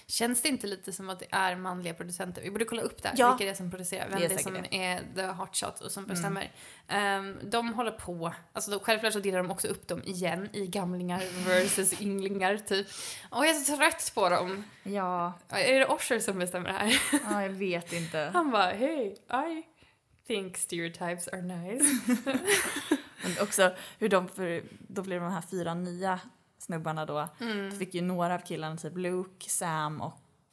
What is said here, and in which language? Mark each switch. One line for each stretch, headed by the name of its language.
Swedish: Känns det inte lite som att det är manliga producenter? Vi borde kolla upp det här. Vilka det är som producerar. Vem det är som är
English: the hot shot
Swedish: och som bestämmer. De håller på. Alltså, självklart så delar de också upp dem igen i gamlingar versus ynglingar typ. Och jag är så trött på dem. Ja. Är det Osher som bestämmer här? Ja, jag vet inte. Han bara,
English: hey, I think stereotypes are nice.
Swedish: Men också hur de, för då blev de här fyra nya snubbarna då. Fick ju några av killarna, typ Luke, Sam och